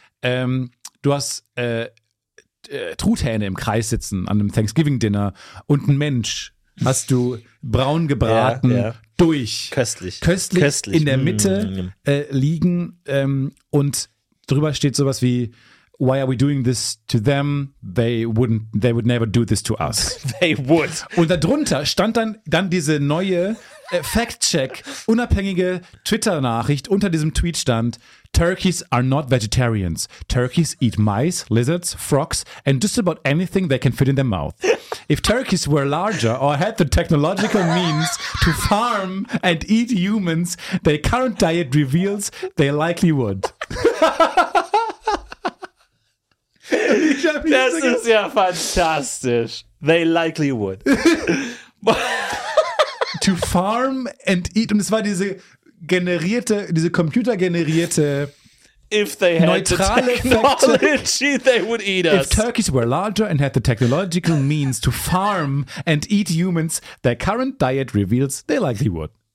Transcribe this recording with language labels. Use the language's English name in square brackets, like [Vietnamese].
[German] Du hast Truthähne im Kreis sitzen an einem Thanksgiving-Dinner, und ein Mensch hast du braun gebraten, durch. Köstlich. In der Mitte liegen, und drüber steht sowas wie: [English] Why are we doing this to them? They would never do this to us. They would. [German] Und darunter stand dann diese neue Fact-Check, unabhängige Twitter-Nachricht, unter diesem Tweet stand: [English] Turkeys are not vegetarians. Turkeys eat mice, lizards, frogs, and just about anything they can fit in their mouth. If turkeys were larger or had the technological means to farm and eat humans, their current diet reveals they likely would. [German] Das ist ja fantastisch. [English] They likely would. To farm and eat. [German] Und es war diese computergenerierte, [English] if they had [German] neutrale [English] technology, they would eat us. If turkeys were larger and had the technological means to farm and eat humans, their current diet reveals they likely would.